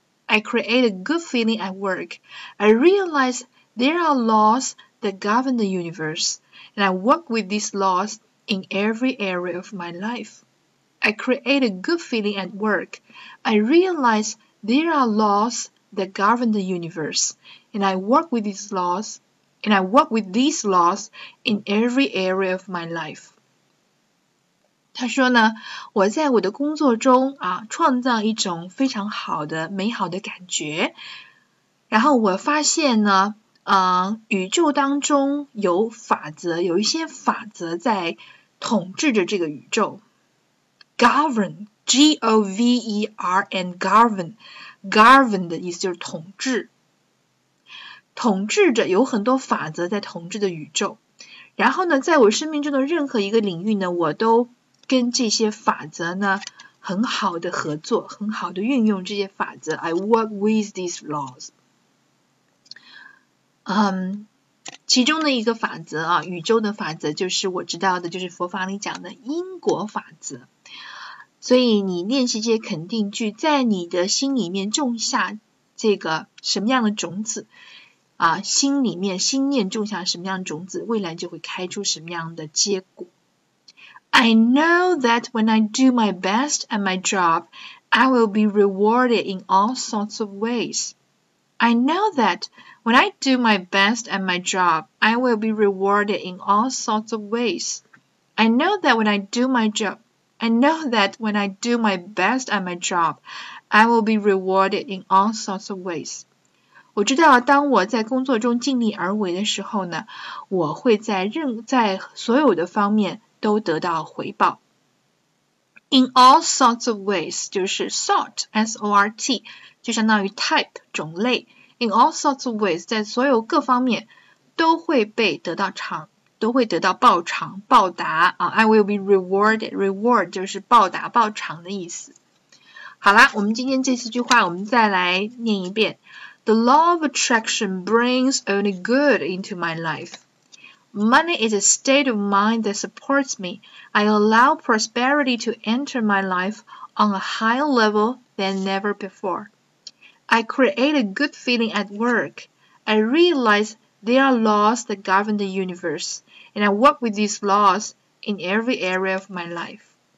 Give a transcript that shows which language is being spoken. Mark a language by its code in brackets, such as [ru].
[en] I create a good feeling at work. I realize there are laws that govern the universe, and I work with these laws in every area of my life. I create a good feeling at work. I realize there are laws that govern the universe, and I work with these laws, and I work with these laws in every area of my life. [zh] 他说呢，我在我的工作中啊，创造一种非常好的、美好的感觉。然后我发现呢，宇宙当中有法则，有一些法则在统治着这个宇宙。Govern, G-O-V-E-R-N, govern, govern 的意思就是统治，统治着，有很多法则在统治的宇宙。然后呢，在我生命中的任何一个领域呢，我都跟这些法则呢很好的合作，很好的运用这些法则。 [en] I work with these laws。 [zh] 其中的一个法则啊，宇宙的法则，就是我知道的，就是佛法里讲的因果法则。所以你练习这些肯定句，在你的心里面种下这个什么样的种子啊，心里面心念种下什么样的种子，未来就会开出什么样的结果。 [en] I know that when I do my best at my job, I will be rewarded in all sorts of ways. I know that when I do my best at my job, I will be rewarded in all sorts of ways. I know that when I do my job, I know that when I do my best at my job, I will be rewarded in all sorts of ways. [zh] 我知道当我在工作中尽力而为的时候呢，我会在所有的方面都得到回报。 [en] In all sorts of ways, [zh] 就是 sort, S-O-R-T, 就相当于 type, 种类。 [en] In all sorts of ways, [zh] 在所有各方面都会被得到偿，都会得到报偿、报答啊。 [en] I will be rewarded, [zh] reward 就是报答、报偿的意思。好啦，我们今天这四句话我们再来念一遍。 [en] The law of attraction brings only good into my life. Money is a state of mind that supports me. I allow prosperity to enter my life on a higher level than never before. I create a good feeling at work. I realize there are laws that govern the universe, and I work with these laws in every area of my life.